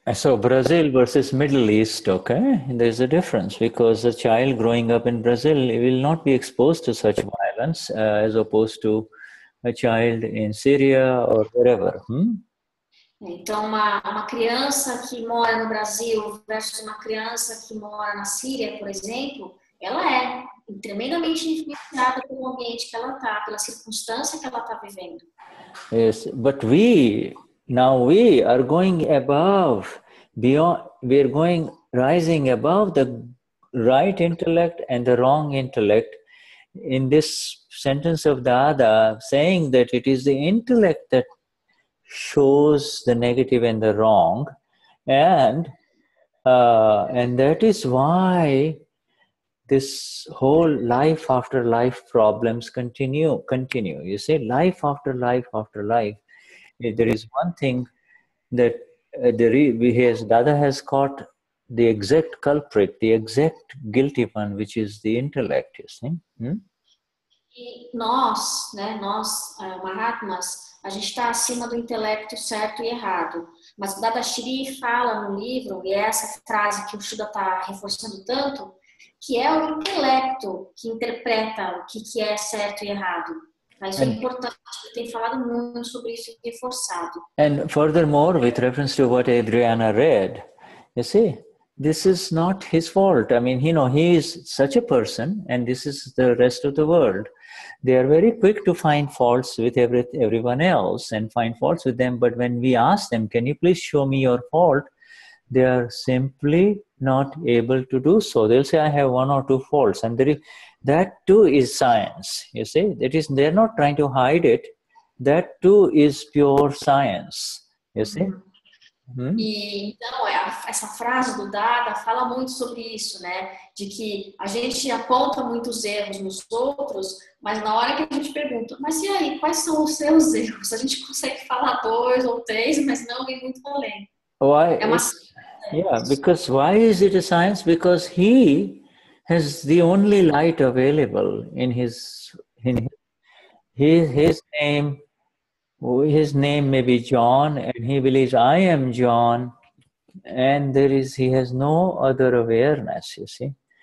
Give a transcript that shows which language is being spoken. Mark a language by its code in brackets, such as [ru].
[en] So, Brazil versus Middle East, okay? There's a difference, because a child growing up in Brazil will not be exposed to such violence, as opposed to a child in Syria or wherever. [pt] Então, uma criança que mora no Brasil versus uma criança que mora na Síria, por exemplo, ela é tremendamente influenciada pelo ambiente que ela está, pela circunstância que ela está vivendo. [en] Yes, but we are going above, beyond, we are going rising above the right intellect and the wrong intellect. In this sentence of Dada, saying that it is the intellect that shows the negative and the wrong, and that is why this whole life after life problems continue. You say life after life after life. If there is one thing that Dada has caught the exact culprit, the exact guilty one, which is the intellect. You see. [pt] E nós, né, nós, Mahatmas, a gente está acima do intelecto certo e errado. Mas o Dada Shri fala no livro, e é essa frase que o Shuddha está reforçando tanto, que é o intelecto que interpreta o que é certo e errado. Mas isso é importante, ele tem falado muito sobre isso e reforçado. [en] And furthermore, with reference to what Adriana read, you see, this is not his fault. I mean, you know, he is such a person, and this is the rest of the world. They are very quick to find faults with everyone else and find faults with them. But when we ask them, can you please show me your fault? They are simply not able to do so. They'll say, I have one or two faults. And that too is science, you see. That is, they're not trying to hide it. That too is pure science, you see. [pt] E então, essa frase do Dada fala muito sobre isso, né? De que a gente aponta muitos erros nos outros, mas na hora que a gente pergunta, mas e aí, quais são os seus erros? A gente consegue falar dois ou três, mas não vem muito além. [en] Why? [pt] É uma ciência. [en] Yeah, because why is it a science? Because he has the only light available in his name. His name may be John, and he believes I am John, and he has no other awareness, you see.